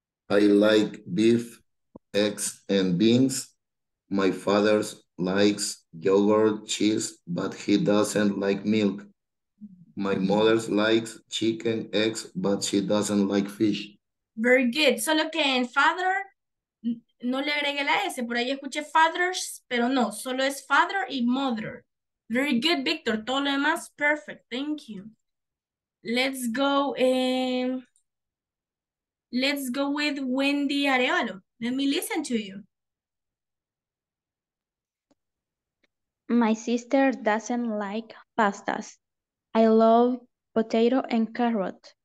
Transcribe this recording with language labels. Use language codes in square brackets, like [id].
[en] I like beef, eggs, and beans. My father likes yogurt, cheese, but he doesn't like milk. My mother likes chicken, eggs, but she doesn't like fish. Very good. [es] Solo que en father. No le agregué la S, por ahí escuché fathers, pero no, solo es father y mother. [en] Very good, Victor. [es] Todo lo demás, [en] perfect. Thank you. Let's go with Wendy Arevalo. Let me listen to you. My sister doesn't like pastas. I love potato and carrot.